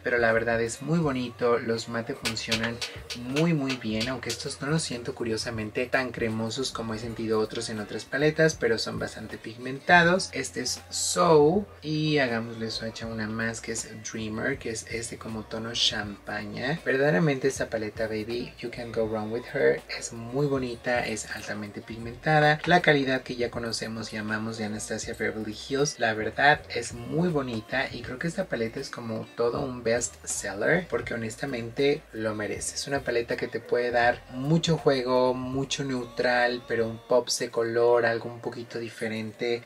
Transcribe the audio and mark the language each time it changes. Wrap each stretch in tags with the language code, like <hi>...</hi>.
<es>Pero la verdad es muy bonito, los mate funcionan muy muy bien, aunque estos no los siento curiosamente tan cremosos como he sentido otros en otras paletas, pero son bastante pigmentados. Este es Soul. Y hagámosle swatch a una más, que es Dreamer, que es este como tono champaña. Verdaderamente esta paleta,</es> <en>baby, you can't go wrong with her.</en> <es>Es muy bonita, es altamente pigmentada. La calidad que ya conocemos y amamos de Anastasia Beverly Hills, la verdad, es muy bonita. Y creo que esta paleta es como todo un best seller, porque honestamente lo merece. Es una paleta que te puede dar mucho juego, mucho neutral, pero un pops de color, algo un poquito diferente.</es>